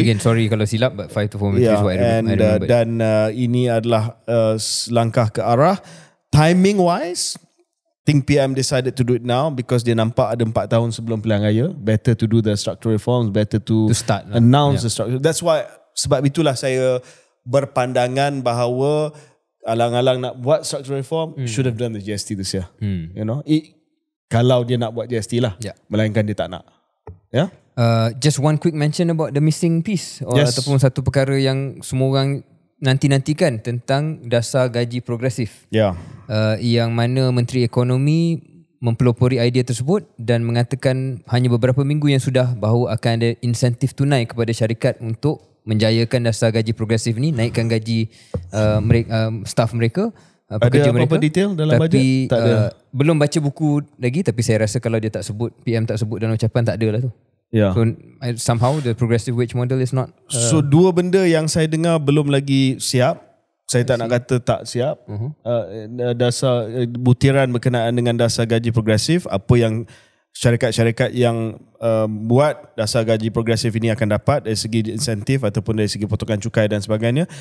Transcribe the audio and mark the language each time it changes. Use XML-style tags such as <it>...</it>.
<en>Again, sorry kalau silap, but 5-4.3 is what I remember.</en> <ms>Dan ini adalah langkah ke arah.</ms> <en>Timing wise, think PM decided to do it now because dia nampak ada 4 tahun sebelum pilihan raya. Better to do the structural reforms, better to start announce the structure. That's why, sebab itulah saya berpandangan bahawa alang-alang nak buat structural reform, should have done the GST this year. Hmm.</en> <ms>You know, kalau dia nak buat GST lah, melainkan dia tak nak. Yeah.</ms> <en>Just one quick mention about the missing piece ataupun satu perkara yang semua orang nanti-nantikan tentang dasar gaji progresif.</en> <ms>Yang mana Menteri Ekonomi mempelopori idea tersebut dan mengatakan hanya beberapa minggu yang sudah bahawa akan ada insentif tunai kepada syarikat untuk menjayakan dasar gaji progresif ni, naikkan gaji staff mereka, pekerja ada mereka. Ada apa detail dalam tapi, bajet? Tak ada. Belum baca buku lagi, tapi saya rasa kalau dia tak sebut, PM tak sebut dalam ucapan, tak adalah tu.</ms> <en>Yeah. So somehow the progressive wage model is not...</en> <ms>So dua benda yang saya dengar belum lagi siap. Saya tak nak kata tak siap. Dasar butiran berkenaan dengan dasar gaji progresif, apa yang syarikat-syarikat yang buat dasar gaji progresif ini akan dapat dari segi insentif ataupun dari segi potongan cukai dan sebagainya.</ms>